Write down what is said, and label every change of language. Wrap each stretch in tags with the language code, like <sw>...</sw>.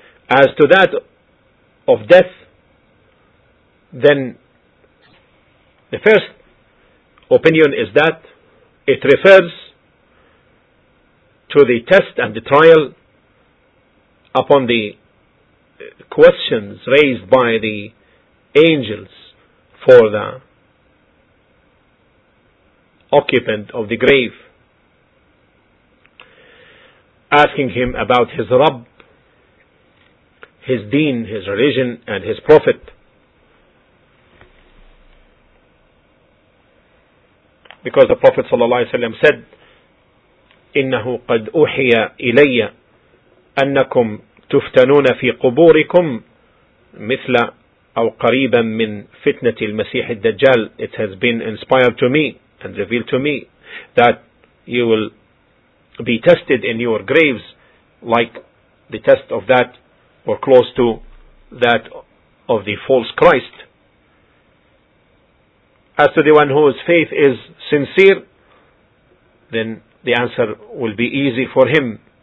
<en>As to that of death, then the first opinion is that it refers to the test and the trial upon the questions raised by the angels for the occupant of the grave, asking him about his Rabb, his deen, his religion, and his prophet. Because the Prophet ﷺ said,</en> <ar>إِنَّهُ قَدْ أُحِيَ إِلَيَّ أَنَّكُمْ تُفْتَنُونَ فِي قُبُورِكُمْ مِثْلَ أَوْ قَرِيبًا مِّنْ فِتْنَةِ الْمَسِيحِ الدَّجَّالِ.</ar> <en>It has been inspired to me and revealed to me that you will be tested in your graves like the test of that, or close to that, of the false Christ. As to the one whose faith is sincere, then the answer will be easy for him.</en>